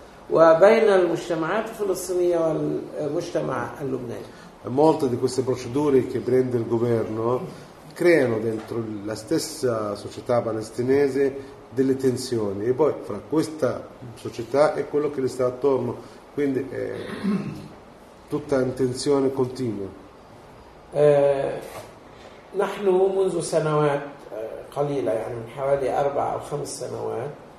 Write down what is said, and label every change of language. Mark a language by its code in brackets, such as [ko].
[ar] وبين المجتمعات الفلسطينية والمجتمع اللبناني. [it] Molte di queste procedure che prende il governo creano dentro la stessa società palestinese delle tensioni e poi fra questa società e quello che le sta attorno, quindi è tutta in tensione continua. [ar] نحن منذ سنوات قليلة يعني حوالي 4 أو 5 سنوات